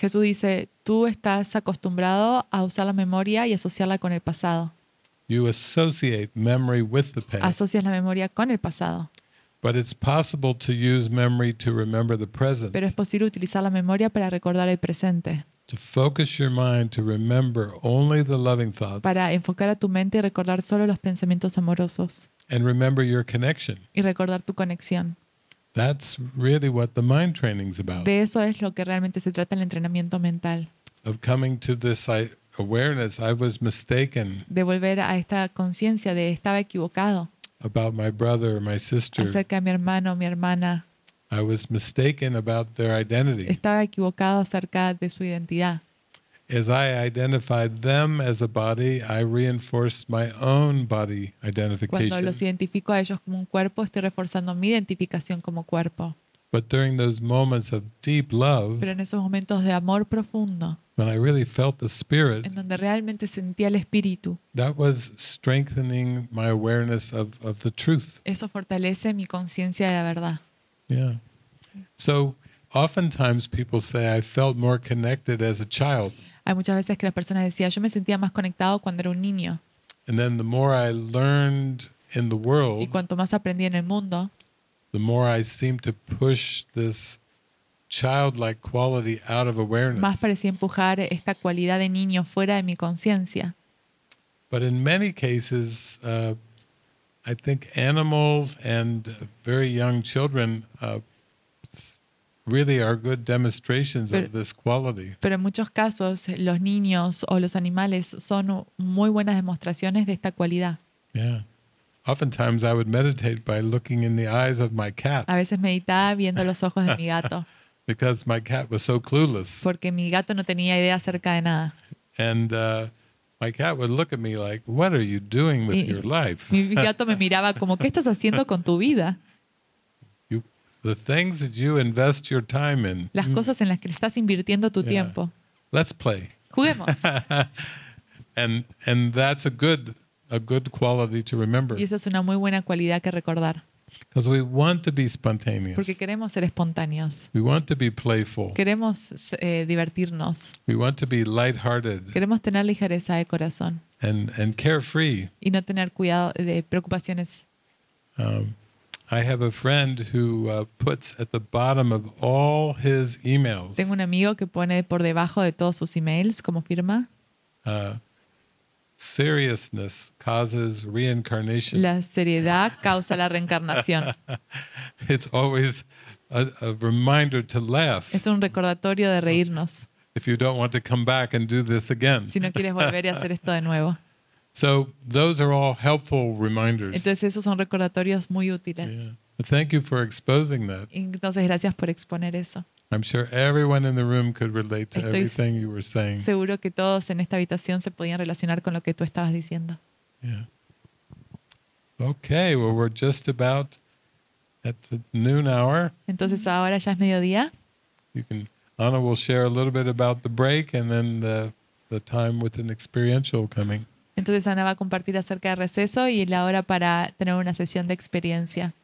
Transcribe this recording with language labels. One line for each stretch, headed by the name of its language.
Spanish: Jesús dice, tú estás acostumbrado a usar la memoria y asociarla con el pasado.
English: You associate memory with the past.
Spanish: Asocias la memoria con el pasado.
English: But it's possible to use memory to remember the present.
Spanish: Pero es posible utilizar la memoria para recordar el presente.
English: To focus your mind to remember only the loving thoughts.
Spanish: Para enfocar a tu mente y recordar solo los pensamientos amorosos.
English: And remember your connection.
Spanish: Y recordar tu conexión.
English: That's really what the mind training's about.
Spanish: De eso es lo que realmente se trata el entrenamiento mental.
English: of coming to this awareness, I was mistaken.
Spanish: De volver a esta conciencia de estaba equivocado.
English: About my brother or my sister.
Spanish: Acerca de mi hermano o mi hermana.
English: I was mistaken about their identity.
Spanish: Estaba equivocado acerca de su identidad.
English: As I identified them as a body, I reinforced my own body identification.
Spanish: Cuando los identifico a ellos como un cuerpo, estoy reforzando mi identificación como cuerpo.
English: But during those moments of deep love,
Spanish: pero en esos momentos de amor profundo,
English: when I really felt the spirit,
Spanish: en donde realmente sentí el espíritu,
English: that was strengthening my awareness of the truth.
Spanish: Eso fortalece mi conciencia de la verdad.
English: Yeah. So oftentimes people say I felt more connected as a child.
Spanish: Hay muchas veces que las personas decían yo me sentía más conectado cuando era un niño.
English: And then the more I learned in the world,
Spanish: y cuanto más aprendí en el mundo,
English: the more I seemed to push this childlike quality out of awareness.
Spanish: Más parecía empujar esta cualidad de niño fuera de mi conciencia.
English: But in many cases, I think animals and very young children really are good demonstrations of this quality.
Spanish: Pero en muchos casos, los niños o los animales son muy buenas demostraciones de esta cualidad.
English: Yeah. Oftentimes I would meditate by looking in the eyes of my cat.
Spanish: A veces meditaba viendo los ojos de mi gato.
English: Because my cat was so clueless.
Spanish: Porque mi gato no tenía idea acerca de nada.
English: And my cat would look at me like, "What are you doing with your life?"
Spanish: Mi gato me miraba como, "¿Qué estás haciendo con tu vida?"
English: The things that you invest your time in.
Spanish: Las cosas en las que estás invirtiendo tu tiempo.
English: Let's play.
Spanish: Juguemos.
English: And that's a good quality to remember.
Spanish: Y esa es una muy buena cualidad que recordar.
English: Because we want to be spontaneous.
Spanish: Porque queremos ser espontáneos.
English: We want to be playful.
Spanish: Queremos divertirnos.
English: We want to be lighthearted.
Spanish: Queremos tener ligereza de corazón.
English: And carefree.
Spanish: Y no tener cuidado de preocupaciones.
English: I have a friend who puts at the bottom of all his emails.
Spanish: Tengo un amigo que pone por debajo de todos sus emails como firma.
English: Seriousness causes reincarnation.
Spanish: La seriedad causa la reencarnación.
English: It's always a reminder to laugh.
Spanish: Es un recordatorio de reírnos.
English: If you don't want to come back and do this again.
Spanish: Si no quieres volver y hacer esto de nuevo.
English: So those are all helpful reminders.
Spanish: Entonces esos son recordatorios muy útiles.
English: Yeah. Thank you for exposing that.
Spanish: Entonces gracias por exponer eso.
English: I'm sure everyone in the room could relate to everything you were saying.
Spanish: Seguro que todos en esta habitación se podían relacionar con lo que tú estabas diciendo.
English: Yeah. Okay, well we're just about at the noon hour.
Spanish: Entonces ahora ya es mediodía.
English: Anna will share a little bit about the break and then the time with an experiential coming.
Spanish: Entonces Ana va a compartir acerca del receso y la hora para tener una sesión de experiencia.